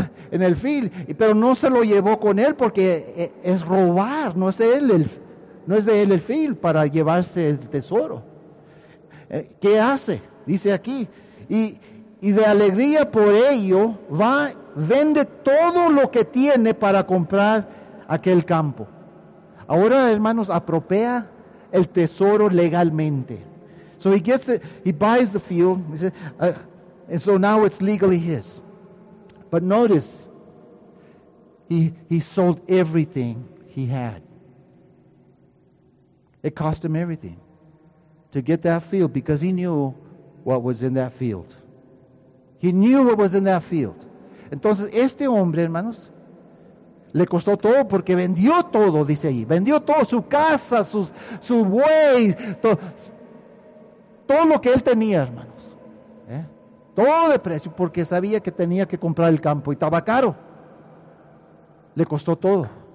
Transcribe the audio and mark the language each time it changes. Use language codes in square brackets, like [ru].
[es] En el field, pero no se lo llevó con él porque es robar, no es él, no es de él el field para llevarse el tesoro. ¿Qué hace? Dice aquí, y de alegría por ello va, vende todo lo que tiene para comprar aquel campo. Ahora, hermanos, apropia el tesoro legalmente. [en] So he gets it, he buys the field, he says, and so now it's legally his. But notice, he sold everything he had. It cost him everything to get that field because he knew what was in that field. He knew what was in that field. [es] Entonces, este hombre, hermanos, le costó todo porque vendió todo, dice ahí. Vendió todo, su casa, su buey, todo lo que él tenía, hermanos. Todo de precio porque sabía que tenía que comprar el campo y estaba caro. Le costó todo.